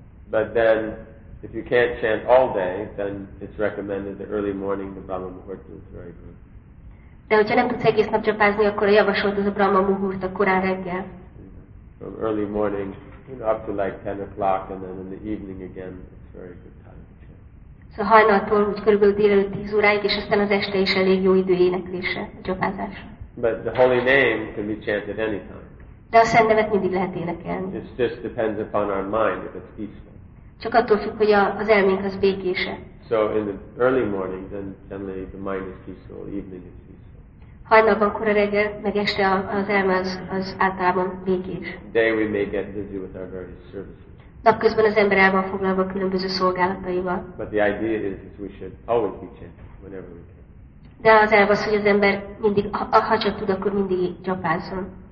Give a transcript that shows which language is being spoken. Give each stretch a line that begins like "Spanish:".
English: But then, if you can't chant all day, then it's recommended the early morning, the Brahma Muhurta is very good.
Hungarian: De hogyha nem tudsz egész nap japázni, akkor javasolt az a Brahma Muhurt a korán reggel.
English: From early morning, you know, up to like 10 o'clock, and then in the evening again, it's very good time.
Hungarian: So hajnaltól úgy körülbelül délelőtt 10 óráig, és aztán az este is elég jó idő éneklésre, japázás.
English: But the holy name can be chanted anytime.
Hungarian: De a szent nevet mindig lehet énekelni.
English: It just depends upon our mind, if it's peaceful.
Hungarian: Csak attól függ, hogy az elménk az békése.
English: So in the early morning, then generally the mind is peaceful, evening is peaceful.
Hungarian: Hajnalban, kora reggel, meg este az elme az általában békés.
English: Day we may get busy with our various services.
Hungarian: Napközben az ember el van foglalva különböző szolgálataival.
English: But the idea is we should always be chanting whenever we can.
Hungarian: De az elv az, hogy az ember mindig, ha csak tud, akkor mindig japázzon.